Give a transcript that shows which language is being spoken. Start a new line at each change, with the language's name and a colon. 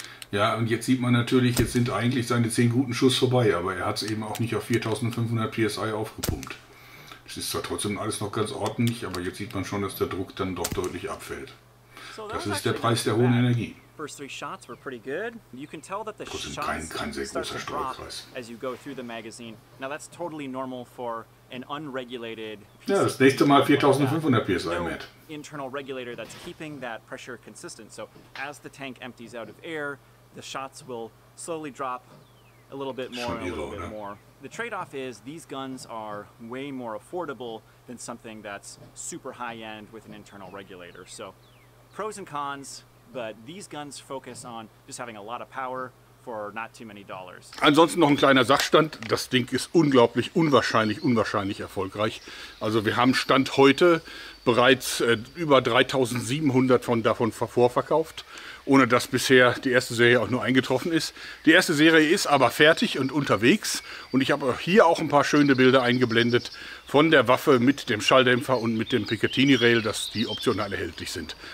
German: Ja, und jetzt sieht man natürlich, jetzt sind eigentlich seine 10 guten Schuss vorbei, aber er hat es eben auch nicht auf 4500 PSI aufgepumpt. Es ist zwar trotzdem alles noch ganz ordentlich, aber jetzt sieht man schon, dass der Druck dann doch deutlich abfällt. Das ist der Preis der hohen Energie.
English: Shots were pretty good. You can tell that the
German: kein sehr großer Steuerkreis.
English: As you go through the magazine. Now that's totally normal for an unregulated PC.
German: Ja, das nächste Mal 4500 PSI, Matt.
English: No internal regulator that's keeping that pressure consistent. So as the tank empties out of air, the shots will slowly drop a little bit more and a little bit more. The trade-off is these guns are way more affordable than something that's super high-end with an internal regulator. So pros and cons. But these guns focus on just having a lot of power for not too many dollars.
German: Ansonsten noch ein kleiner Sachstand. Das Ding ist unglaublich, unwahrscheinlich erfolgreich. Also wir haben Stand heute bereits über 3700 davon vorverkauft, ohne dass bisher die erste Serie auch nur eingetroffen ist. Die erste Serie ist aber fertig und unterwegs. Und ich habe hier auch ein paar schöne Bilder eingeblendet von der Waffe mit dem Schalldämpfer und mit dem Picatinny-Rail, dass die optional erhältlich sind.